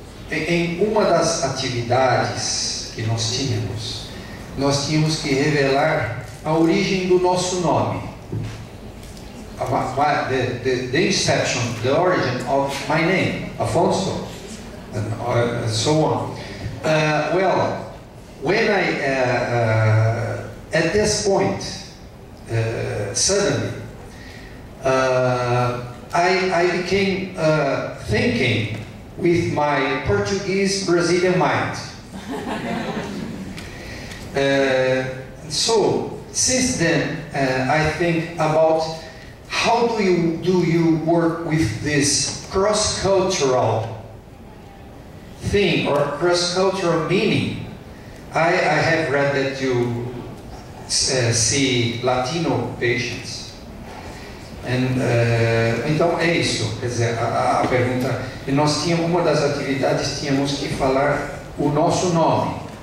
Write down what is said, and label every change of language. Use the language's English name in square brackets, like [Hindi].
[Portuguese] Em uma das atividades que nós tínhamos que revelar a origem do nosso nome. [English] The inception, the origin of my name, Afonso, and so on. Well, when I at this point suddenly I became thinking with my Portuguese Brazilian mind. So since then I think about how do you work with this cross-cultural thing or cross-cultural meaning? I have read that you see Latino patients. [Portuguese] And, então é isso, quer dizer, a pergunta. E nós tínhamos uma das atividades, tínhamos que falar o nosso nome.